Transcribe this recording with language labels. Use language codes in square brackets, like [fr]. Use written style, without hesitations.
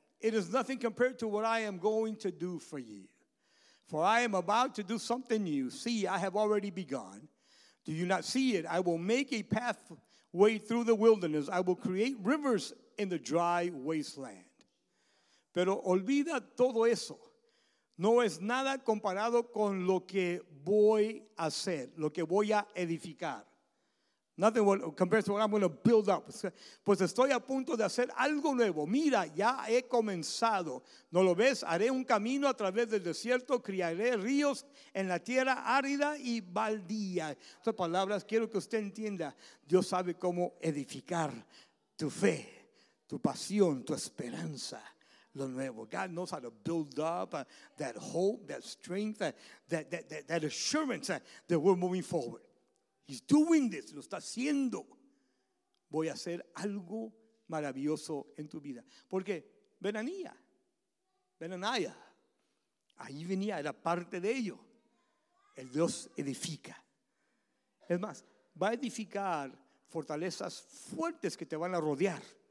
[en] It is nothing compared to what I am going to do for you. For I am about to do something new. See, I have already begun. Do you not see it? I will make a pathway through the wilderness. I will create rivers in the dry wasteland. [es] Pero olvida todo eso. No es nada comparado con lo que voy a hacer, lo que voy a edificar. [en] Nothing compares to what I'm going to build up. [es] Pues estoy a punto de hacer algo nuevo. Mira, ya he comenzado. ¿No lo ves? Haré un camino a través del desierto. Criaré ríos en la tierra árida y baldía. Estas palabras quiero que usted entienda. Dios sabe cómo edificar tu fe, tu pasión, tu esperanza. Lo nuevo. [en] God knows how to build up that hope, that strength, that assurance that we're moving forward. He's doing this. [es] Lo está haciendo. Voy a hacer algo maravilloso en tu vida. Porque Benanía, ahí venía, era parte de ello. El Dios edifica. Es más, va a edificar fortalezas fuertes que te van a rodear